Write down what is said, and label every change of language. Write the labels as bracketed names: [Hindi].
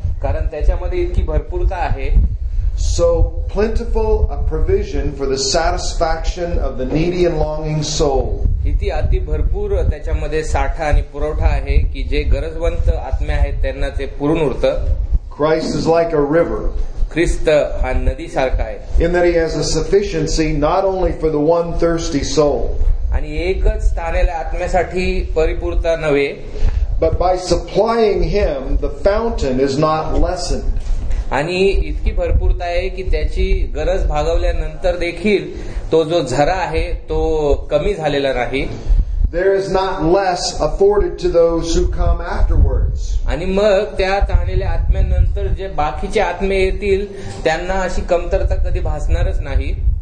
[Marathi] कारण त्याच्यामध्ये इतकी भरपूरता आहे. [English] So plentiful a provision for the satisfaction of the needy and longing soul. [Marathi] इति अति भरपूर त्याच्यामध्ये साठा आणि पुरवठा आहे की जे गरजवंत आत्मे आहेत त्यांना ते पुरून उरत. [English] Christ is like a river. [Marathi] ख्रिस्त हा नदी सारखा आहे. [English] In that he has a sufficiency not only for the one thirsty soul. [Marathi] आणि एकच स्थानेला आत्म्यासाठी परिपूर्णता नव्हे. [English] But by supplying him, the fountain is not lessened. [Marathi] आणि इतकी भरपूरता आहे की त्याची गरज भागवल्यानंतर देखील तो जो झरा आहे तो कमी झालेला नाही. [English] There is not less afforded to those who come afterwards. [Marathi] आणि मग त्या ताणलेल्या आत्म्यानंतर जे बाकीचे आत्मे येतील त्यांना अशी कमतरता कधी भासणारच नाही.